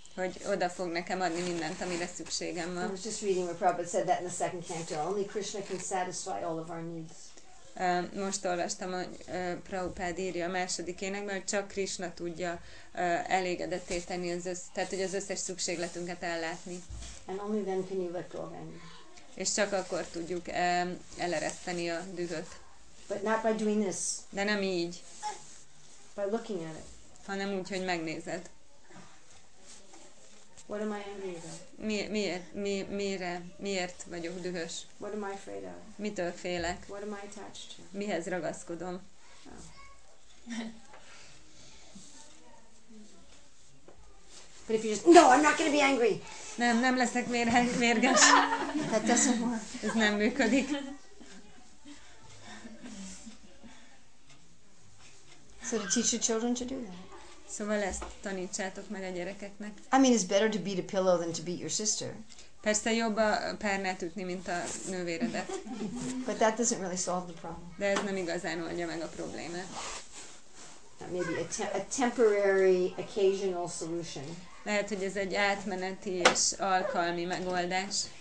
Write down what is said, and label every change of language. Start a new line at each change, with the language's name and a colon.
Hungarian: Hogy oda fog nekem adni mindent, amire szükségem van.
English: I was just reading what Prabhupada said that in the second canto. Only Krishna can satisfy all of our needs.
Hungarian: Most olvastam, hogy Prabhupada írja a második énekben, hogy csak Krishna tudja elégedetté tenni az összes, tehát hogy az összes szükségletünket ellátni.
English: And only then can you let go of anger.
Hungarian: És csak akkor tudjuk elereszteni a dühöt.
English: But not by doing this.
Hungarian: De nem így.
English: By looking at it.
Hungarian: Hanem úgy, hogy megnézed.
English: What am I angry about?
Hungarian: Miért vagyok dühös?
English: What am I afraid of?
Hungarian: Mitől félek?
English: What am I attached to?
Hungarian: Mihez ragaszkodom? Oh.
English: But if you just, no, I'm not gonna be angry.
Hungarian: Nem leszek mérges.
English: That doesn't work.
Hungarian: Ez nem működik.
English: So to teach your children to do that.
Hungarian: Szóval ezt tanítsátok meg a gyerekeknek.
English: I mean, it's better to beat a pillow than to beat your sister.
Hungarian: Persze jobb a párnát ütni, mint a nővéredet.
English: But that doesn't really solve the problem.
Hungarian: De ez nem igazán oldja meg a problémát.
English: Maybe a temporary, occasional solution.
Hungarian: Lehet, hogy ez egy átmeneti és alkalmi megoldás.